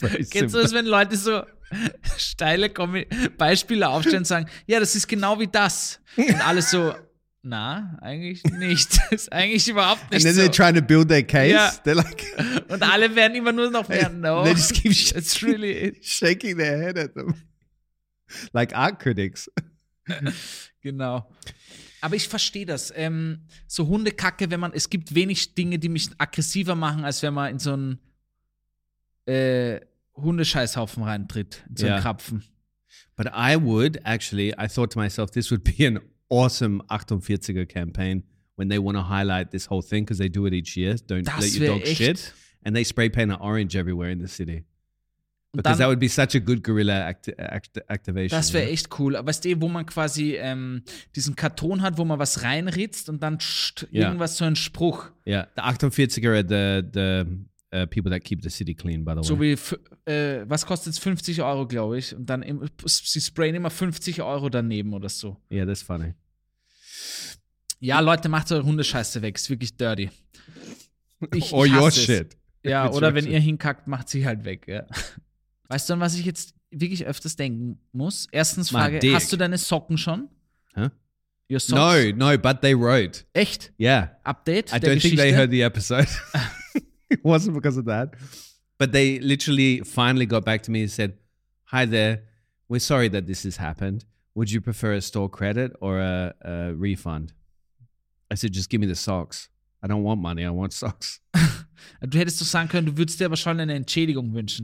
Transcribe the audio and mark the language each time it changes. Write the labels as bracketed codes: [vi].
[de] Kennst du das, wenn Leute so steile Beispiele aufstellen und sagen, ja, das ist genau wie das. Und alle so, na, eigentlich nicht. Das ist eigentlich überhaupt nicht so. [en] And then so. They're trying to build their case. Yeah. They're like, [de] und alle werden immer nur noch mehr, [en] no. They just keep shaking their head at them. Like art critics. [de] Genau. Aber ich verstehe das. So Hundekacke, wenn man, es gibt wenig Dinge, die mich aggressiver machen, als wenn man in so ein Hundescheißhaufen reintritt, so ein Krapfen. [en] But I would actually, I thought to myself, this would be an awesome 48er campaign when they want to highlight this whole thing because they do it each year. Don't [de] das [en] let your dog [de] echt. [en] Shit. And they spray paint an orange everywhere in the city. Because [de] dann, [en] that would be such a good guerrilla activation. [de] Das wäre echt cool. Aber weißt du, wo man quasi diesen Karton hat, wo man was reinritzt und dann irgendwas so ein Spruch. Ja, [en] yeah. [de] Der 48er, [en] the people that keep the city clean, by the way. [de] So wie, was kostet es? 50 Euro, glaube ich. Und dann, sie sprayen immer 50 Euro daneben oder so. [en] Yeah, that's funny. [de] Ja, Leute, macht eure Hundescheiße weg. Ist wirklich [en] dirty. Or your shit. [de] Ja, oder wenn ihr hinkackt, macht sie halt weg. Ja. Weißt du, an was ich jetzt wirklich öfters denken muss? Erstens Frage, hast du deine Socken schon? Huh? [en] Your socks? No, but they wrote. [de] Echt? [en] Yeah. Update I don't think they heard the episode. It wasn't because of that. But they literally finally got back to me and said, hi there, we're sorry that this has happened. Would you prefer a store credit or a refund? I said, just give me the socks. I don't want money, I want socks. [de] Du hättest doch sagen können, du würdest dir aber schon eine Entschädigung wünschen.